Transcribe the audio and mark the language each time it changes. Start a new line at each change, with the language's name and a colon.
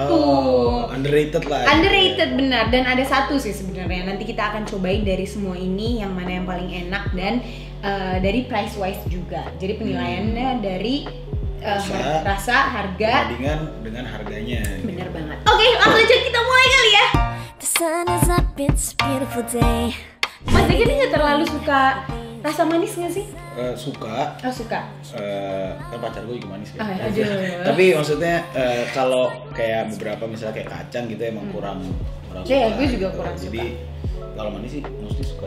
Indonesian: Oh, underrated lah. Underrated ya. Benar. Dan ada satu sih sebenarnya. Nanti kita akan cobain dari semua ini yang mana yang paling enak. Dan dari price wise juga. Jadi penilaiannya dari rasa, harga. Dengan harganya. Benar gitu. Banget. Oke, langsung aja kita mulai kali ya.
English: The sun is up, it's a beautiful day.
Indonesian: Mas Dekin ini gak terlalu suka rasa manis gak sih? Suka. Oh suka. Kan pacar gue juga manis ya. Oh, aduh. Tapi maksudnya kalau kayak beberapa misalnya kayak kacang gitu emang kurang suka. Iya gue juga gitu. Kurang jadi, suka. Jadi kalau manis sih mesti suka.